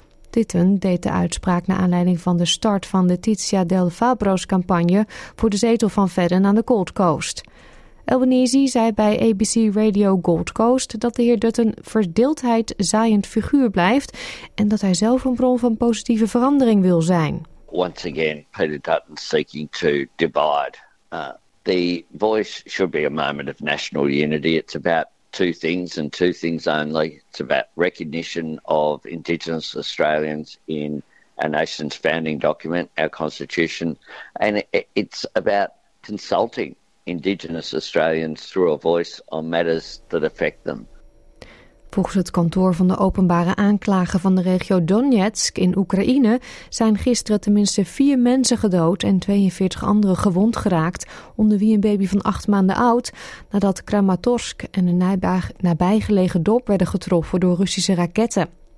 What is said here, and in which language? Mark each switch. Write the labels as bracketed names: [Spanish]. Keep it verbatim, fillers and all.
[Dutch] Dutton deed de uitspraak naar aanleiding van de start van de Letizia Del Fabro's campagne voor de zetel van Verden aan de Gold Coast. Albanese zei bij A B C Radio Gold Coast dat de heer Dutton verdeeldheid zaaiend figuur blijft en dat hij zelf een bron van positieve verandering wil zijn. [English] Once again, Peter Dutton seeking to divide. Uh, the voice should be a moment of national unity. It's about two things and two things only. It's about recognition of Indigenous Australians in our nation's founding document, our constitution, and it's about consulting Indigenous Australians through a voice on matters that affect them. [Dutch] Volgens het kantoor van de openbare aanklager van de regio Donetsk in Oekraïne zijn gisteren tenminste vier mensen gedood en tweeënveertig anderen gewond geraakt, onder wie een baby van acht maanden oud, nadat Kramatorsk en een nabij, nabijgelegen dorp werden getroffen door Russische raketten.